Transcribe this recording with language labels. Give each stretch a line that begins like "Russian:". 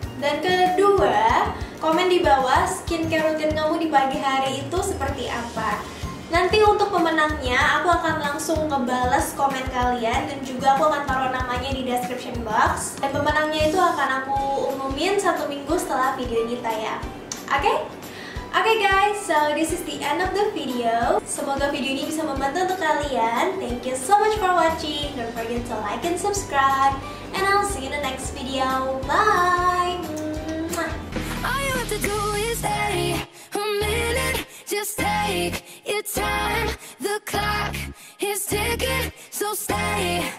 Indonesian: Dan kedua, komen di bawah skincare rutin kamu di pagi hari itu seperti apa. Nanti untuk pemenangnya, aku akan langsung ngebales komen kalian, dan juga aku akan taruh namanya di description box. Dan pemenangnya itu akan aku umumin satu minggu setelah video ini tayang. Okay?
English: Okay guys, so this is the end of the video.
Indonesian: Semoga video ini bisa membantu untuk kalian.
English: Thank you so much for watching. Don't forget to like and subscribe. And I'll see you in the next video. Bye! All you have to do is stay a minute. Just take your time. The clock is ticking, so stay.